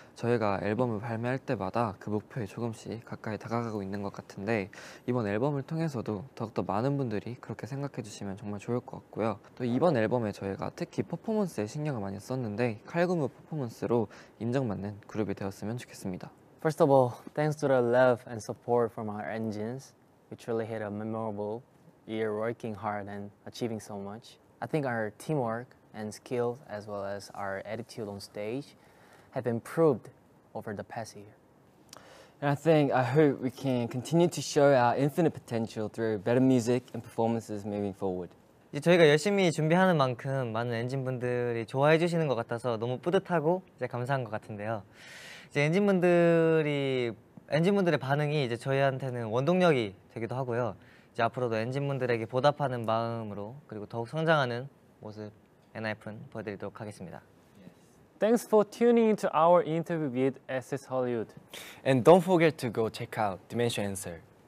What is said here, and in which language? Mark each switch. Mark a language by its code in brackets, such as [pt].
[ko] 저희가 앨범을 발매할 때마다 그 목표에 조금씩 가까이 다가가고 있는 것 같은데 이번 앨범을 통해서도 더욱더 많은 분들이 그렇게 생각해 주시면 정말 좋을 것 같고요. 또 이번 앨범에 저희가 특히 퍼포먼스에 신경을 많이 썼는데 칼군무 퍼포먼스로 인정받는 그룹이 되었으면 좋겠습니다. [en] First of all, thanks to the love and support from our engines. We truly had a memorable year working hard and achieving so much. I think our teamwork and skills as well as our attitude on stage have improved over the past year. And I hope we can continue to show our infinite potential through better music and performances moving forward. [ko] 이제 저희가 열심히 준비하는 만큼 많은 엔진분들이 좋아해 주시는 것 같아서 너무 뿌듯하고 이제 감사한 것 같은데요. 이제 엔진분들의 반응이 이제 저희한테는 원동력이 되기도 하고요. 이제 앞으로도 엔진분들에게 보답하는 마음으로 그리고 더욱 성장하는 모습 엔하이픈 보여드리도록 하겠습니다. [en] Thanks for tuning into our interview with SS Hollywood. And don't forget to go check out Dimension Answer.